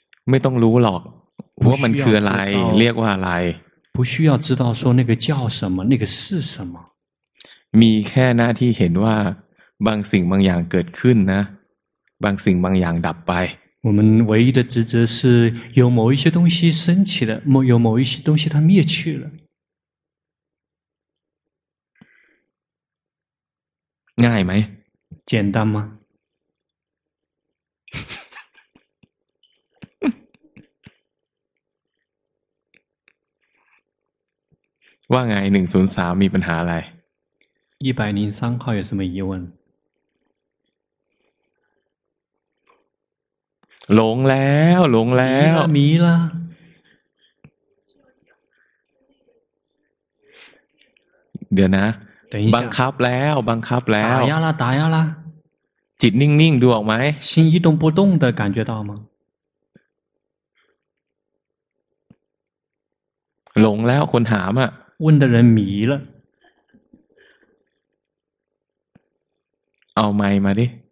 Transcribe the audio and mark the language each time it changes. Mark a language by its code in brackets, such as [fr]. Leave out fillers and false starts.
[th] ไม่ต้องรู้หรอกว่ามันคืออะไรเรียกว่าอะไร [zh] 不需要知道说那个叫什么那个是什么 [th] มีแค่หน้าที่เห็นว่าบางสิ่งบางอย่างเกิดขึ้นนะบางสิ่งบางอย่างดับไป [zh] 我们唯一的职责是有某一些东西升起了有某一些东西它灭去了 [th] ง่ายไหม [zh] 简单吗 [th] ว่าไง103มีปัญหาอะไร [zh] 103号有什么疑问 [th] หลงแล้วหลงแล้ว มีละ เดี๋ยวนะบังคับแล้วบังคับแล้ว ตายแล้วตายแล้ว จิตนิ่งๆดูออกไหม [zh] 心一动不动的感觉到吗 [th] หลงแล้วคนถามอ่ะ [zh] 问的人迷了 [th] เอาไมค์มาดิ